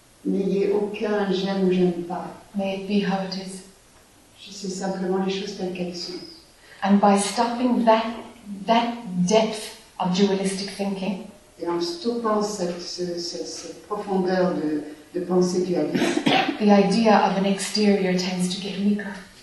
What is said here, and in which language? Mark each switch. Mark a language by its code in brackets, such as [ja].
[fr] N'ayez aucun j'aime ou j'aime pas. [en] May it be how it is. [fr] Je sais simplement les choses telles qu'elles sont. [en] And by stopping that depth of dualistic thinking. [fr] Et en stoppant cette profondeur de penser dualiste. [en] The idea of an exterior tends to get weaker.